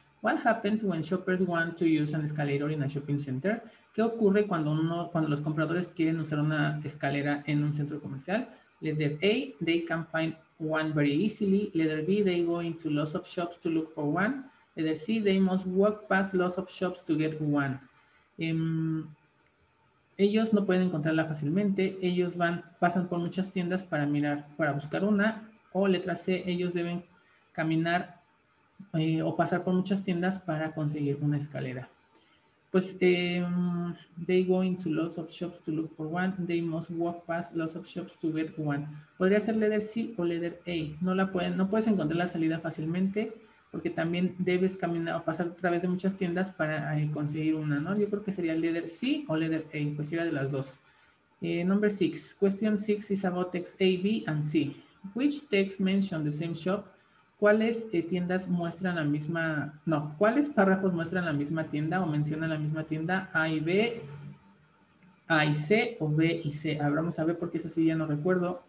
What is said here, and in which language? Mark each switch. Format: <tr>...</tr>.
<en>What happens when shoppers want to use an escalator in a shopping center?</en> <es>¿Qué ocurre cuando los compradores quieren usar una escalera en un centro comercial?</es> <en>Letter A, they can find one very easily. Letter B, they go into lots of shops to look for one. Letter C, they must walk past lots of shops to get one.</en> <es>Ellos no pueden encontrarla fácilmente. Ellos pasan por muchas tiendas para mirar, para buscar una. O letra C, ellos deben caminar o pasar por muchas tiendas para conseguir una escalera.</es> <en>Pues, they go into lots of shops to look for one. They must walk past lots of shops to get one.</en> <es>Podría ser letter C o letter A. No puedes encontrar la salida fácilmente porque también debes caminar o pasar a través de muchas tiendas para conseguir una, ¿no? Yo creo que sería letter C o letter A, cualquiera de las dos.</es> <en>Number 6. Question 6 is about text A, B, and C. Which text mention the same shop?</en> <es>¿Cuáles tiendas muestran la misma? No, ¿cuáles párrafos muestran la misma tienda o mencionan la misma tienda? A y B, A y C o B y C. Vamos a ver porque eso sí ya no recuerdo.</es>